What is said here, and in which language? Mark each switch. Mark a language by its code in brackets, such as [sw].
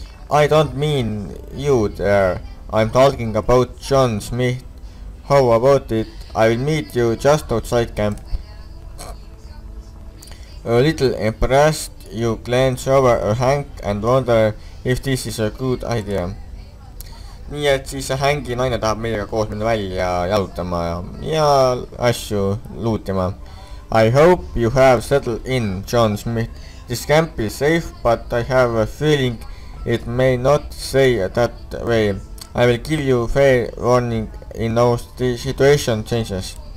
[en] I don't mean you there, I'm talking about John Smith. How about it, I will meet you just outside camp. A little impressed, you glance over a hank and wonder if this is a good idea. [et] Nii et siis see hängi naine tahab meiega koos minna välja jalutama ja asju lootima. [en] I hope you have settled in, John Smith. This camp is safe, but I have a feeling it may not stay that way. I will give you fair warning in case the situation changes.